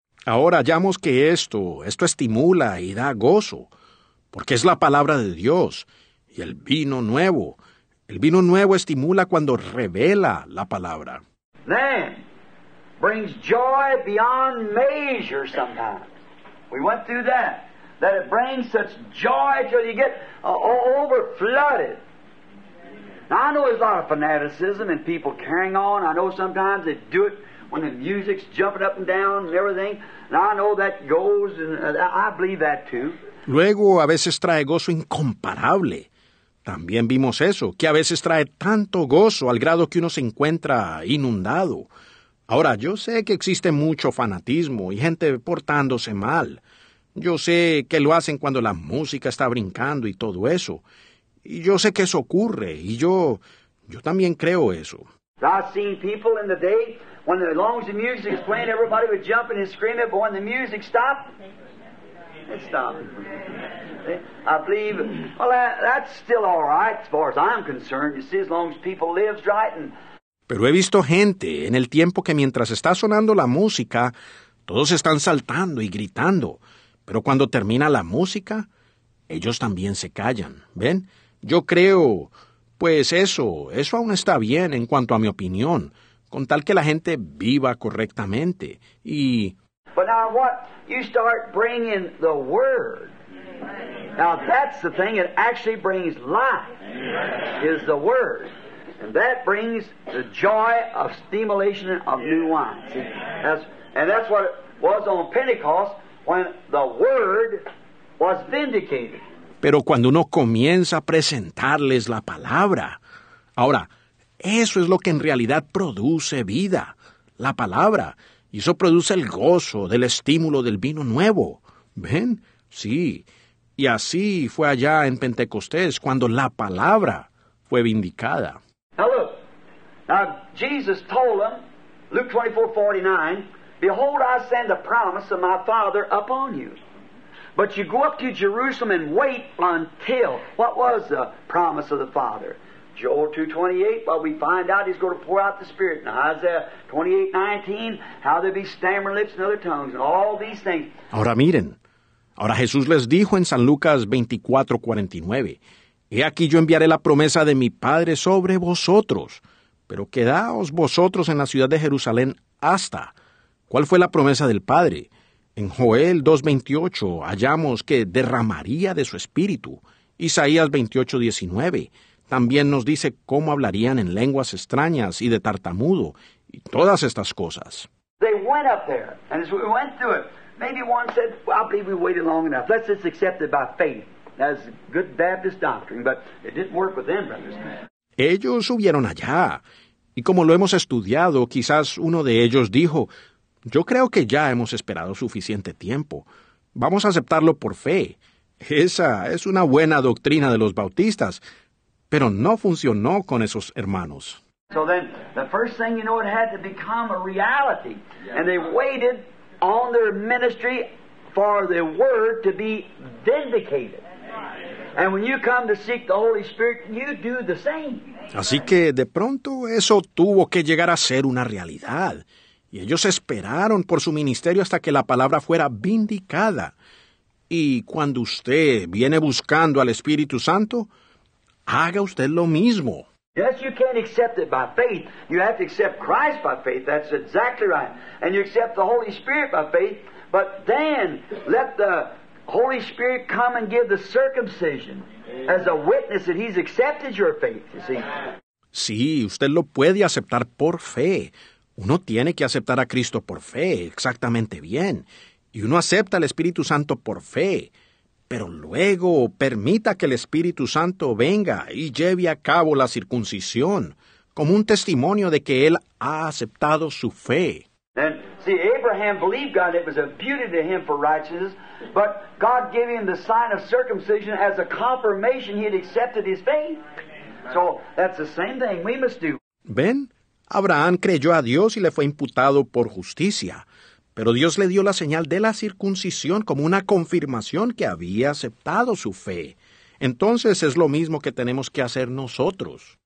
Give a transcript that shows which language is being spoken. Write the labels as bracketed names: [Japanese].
[Spanish] Ahora hallamos que esto estimula y da gozo, porque es la palabra de Dios y el vino nuevo. El vino nuevo estimula cuando revela la palabra. [English] Then brings joy beyond measure sometimes. We went through that. That it brings such joy till you get over flooded. Now, I know there's a lot of fanaticism and people carrying on. I know sometimes they do it when the music's jumping up and down and everything. And I know that goes, and I believe that too. [Spanish] Luego, a veces trae gozo incomparable. También vimos eso, que a veces trae tanto gozo al grado que uno se encuentra inundado. Ahora, yo sé que existe mucho fanatismo y gente portándose mal. Yo sé que lo hacen cuando la música está brincando y todo eso. Y yo sé que eso ocurre, y yo también creo eso. [English] I've seen people in the day, when as long as the music's playing, everybody would jump and scream it, but when the music stopped, it stopped. I believe, well, that's still all right, as far as I'm concerned, you see, as long as people live right. [Spanish] Pero he visto gente en el tiempo que mientras está sonando la música, todos están saltando y gritando, pero cuando termina la música, ellos también se callan, ¿ven? Yo creo, pues eso aún está bien en cuanto a mi opinión, con tal que la gente viva correctamente y... [English] But now what? You start bringing the word. Now that's the thing, it actually brings life, is the word. And that brings the joy of stimulation of new wine. See, that's what it was on Pentecost, when the word was vindicated. [Spanish] Pero cuando uno comienza a presentarles la palabra. Ahora, eso es lo que en realidad produce vida, la palabra. Y eso produce el gozo del estímulo del vino nuevo. ¿Ven? Sí. Y así fue allá en Pentecostés, cuando la palabra fue vindicada. [English] Now look, now Jesus told them, Luke 24:49, behold, I send the promise of my Father upon you. But you go up to Jerusalem and wait until... What was the promise of the Father? Joel 2:28, well, we find out He's going to pour out the Spirit. Now, Isaiah 28:19, how there'll be stammering lips and other tongues, and all these things. [Spanish] Ahora miren. Ahora Jesús les dijo en San Lucas 24:49, he aquí yo enviaré la promesa de mi Padre sobre vosotros, pero quedaos vosotros en la ciudad de Jerusalén hasta... ¿Cuál fue la promesa del Padre? En Joel 2:28 hallamos que derramaría de su espíritu. Isaías 28:19 también nos dice cómo hablarían en lenguas extrañas y de tartamudo y todas estas cosas. [English] They went up there, and as we went through it, maybe one said, well, I believe we waited long enough. Let's just accept it by faith. That's good Baptist doctrine, but it didn't work with them, brothers. [Spanish] Ellos subieron allá, y como lo hemos estudiado, quizás uno de ellos dijo, yo creo que ya hemos esperado suficiente tiempo. Vamos a aceptarlo por fe. Esa es una buena doctrina de los bautistas, pero no funcionó con esos hermanos. [English] So then, the first thing you know, it had to become a reality. And they waited on their ministry for the word to be vindicated. And when you come to seek the Holy Spirit, you do the same. [Spanish] Así que, de pronto, eso tuvo que llegar a ser una realidad. Y ellos esperaron por su ministerio hasta que la palabra fuera vindicada. Y cuando usted viene buscando al Espíritu Santo, haga usted lo mismo. [English] Yes, you can't accept it by faith. You have to accept Christ by faith. That's exactly right. And you accept the Holy Spirit by faith. But then, let the Holy Spirit, come and give the circumcision as a witness that he's accepted your faith, you see. [Spanish] Sí, usted lo puede aceptar por fe. Uno tiene que aceptar a Cristo por fe, exactamente bien. Y uno acepta al Espíritu Santo por fe. Pero luego permita que el Espíritu Santo venga y lleve a cabo la circuncisión como un testimonio de que él ha aceptado su fe. [English] And see, Abraham believed God, it was imputed to him for righteousness, but God gave him the sign of circumcision as a confirmation he had accepted his faith. So that's the same thing we must do. [Spanish] ¿Ven? Abraham creyó a Dios y le fue imputado por justicia, pero Dios le dio la señal de la circuncisión como una confirmación que había aceptado su fe. Entonces es lo mismo que tenemos que hacer nosotros.